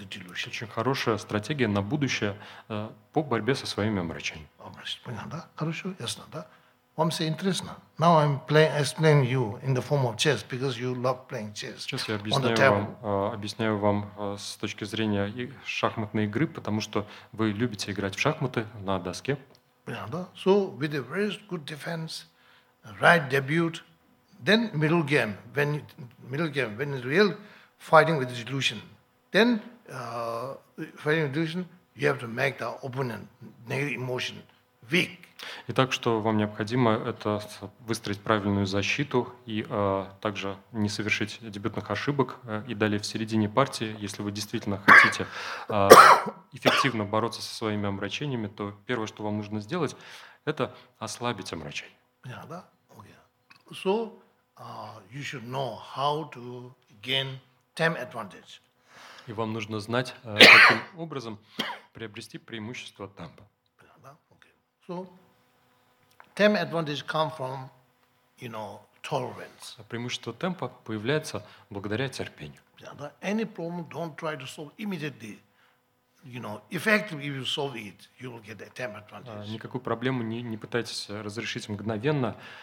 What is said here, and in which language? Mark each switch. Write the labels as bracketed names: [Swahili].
[Russian] Очень хорошая стратегия на будущее по борьбе со своими омрачениями. Понятно, да? Хорошо, ясно, да? Вам все интересно? [English] Now I'm playing, explaining you in the form of chess because you love playing chess. [Russian] Сейчас я объясняю вам с точки зрения шахматной игры, потому что вы любите играть в шахматы на доске. Да. [English] So with a very good defense, right debut, then middle game when it's real fighting with the delusion, then fighting with delusion, you have to make the opponent negative emotion weak. [Russian] Итак, что вам необходимо, это выстроить правильную защиту и также не совершить дебютных ошибок. И далее в середине партии, если вы действительно хотите эффективно бороться со своими омрачениями, то первое, что вам нужно сделать, это ослабить омрачение. [English] Yeah, [Russian] да? [English] Okay. So, you should know how to gain time advantage. [Russian] И вам нужно знать, каким образом приобрести преимущество темпа. [English] Yeah, [Russian] да? [English] Okay. So, time advantage comes from, you know, tolerance. [Russian] Преимущество темпа появляется благодаря терпению. [English] Yeah, any problem don't try to solve immediately. You know, effectively if you solve it, you will get the time advantage. [Russian] Никакую проблему не пытайтесь разрешить мгновенно.